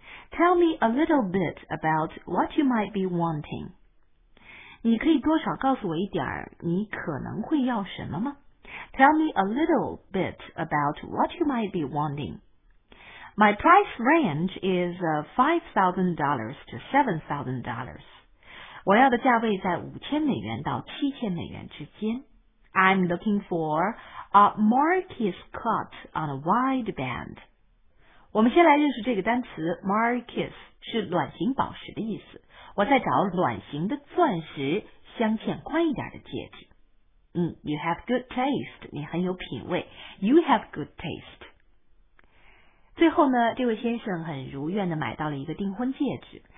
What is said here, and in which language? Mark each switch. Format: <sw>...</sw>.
<en>Tell me a little bit about what you might be wanting.</en> <zh>你可以多少告诉我一点儿你可能会要什么吗？</zh> <en>Tell me a little bit about what you might be wanting. My price range is $5,000 to $7,000.</en> <zh>我要的价位在$5,000到$7,000之间。</zh> <en>I'm looking for a marquise cut on a wide band.</en> <zh>我们先来认识这个单词 marquise 是卵形宝石的意思。我在找卵形的钻石，镶嵌宽一点的戒指。</zh> <en>You have good taste.</en> <zh>你很有品味。</zh> <en>You have good taste.</en> <zh>最后呢，这位先生很如愿的买到了一个订婚戒指。</zh>